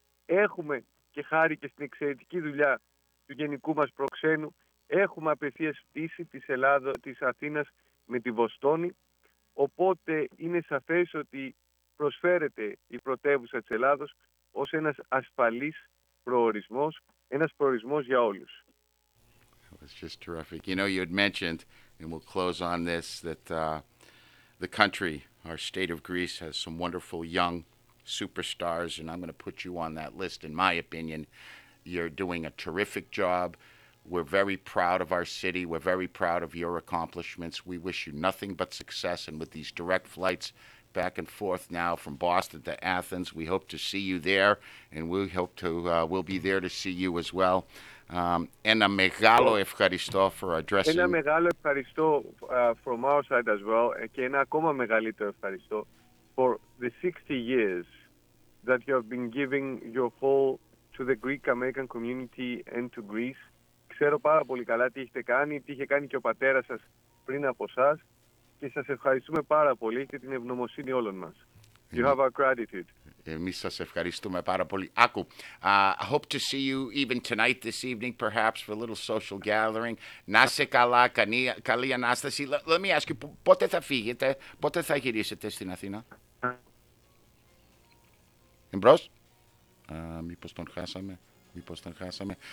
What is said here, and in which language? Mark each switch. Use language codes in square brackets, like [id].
[el] Έχουμε και χάρη και στην εξαιρετική δουλειά του Γενικού μας Προξένου, έχουμε απευθείας πτήση της Αθήνας με τη Βοστόνη. Οπότε είναι σαφές ότι προσφέρεται η πρωτεύουσα της Ελλάδος ως ένας ασφαλής προορισμός, ένας προορισμός για όλους. [en] It was just terrific. You know, you had mentioned, and we'll close on this, that the country, our state of Greece, has some wonderful young superstars, and I'm going to put you on that list, in my opinion. You're doing a terrific job. We're very proud of our city. We're very proud of your accomplishments. We wish you nothing but success, and with these direct flights back and forth now from Boston to Athens, we hope to see you there, and we hope to we'll be there to see you as well. [el] Ένα μεγάλο ευχαριστώ [en] for addressing. [el] Ένα μεγάλο ευχαριστώ [en] from our side as well, [el] και ένα ακόμα μεγαλύτερο ευχαριστώ [en] for the 60 years that you have been giving your whole to the Greek American community and to Greece. [el] Ξέρω πάρα πολύ καλά τι έχετε κάνει, τι είχε κάνει και ο πατέρας σας πριν από εσάς, και σας ευχαριστούμε πάρα πολύ, έχετε την ευγνωμοσύνη όλων μας. [en] You have our gratitude. [el] Εμείς σας ευχαριστούμε πάρα πολύ. Άκου, [en] I hope to see you even tonight, this evening, perhaps, for a little social gathering. [el] Να σε καλά, καλή Ανάσταση. [en] Let me ask you, [el] πότε θα φύγετε, πότε θα γυρίσετε στην Αθήνα? Εμπρός. Μήπως τον χάσαμε, μήπως τον χάσαμε.